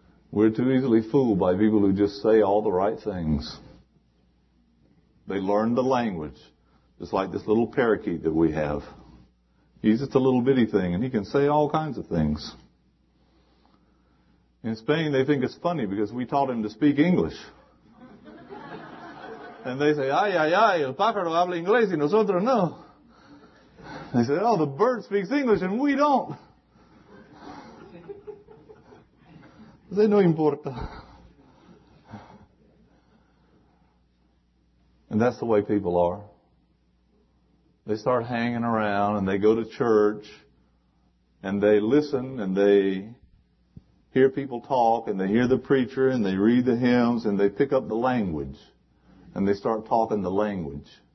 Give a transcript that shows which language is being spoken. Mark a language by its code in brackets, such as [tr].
[en] We're too easily fooled by people who just say all the right things. They learn the language, just like this little parakeet that we have. He's just a little bitty thing, and he can say all kinds of things. In Spain, they think it's funny because we taught him to speak English. And they say, [es] ay, ay, ay, el pájaro habla inglés y nosotros no. [en] They say, oh, the bird speaks English and we don't. They [es] no importa. [en] And that's the way people are. They start hanging around and they go to church and they listen and they hear people talk, and they hear the preacher, and they read the hymns, and they pick up the language, and they start talking the language.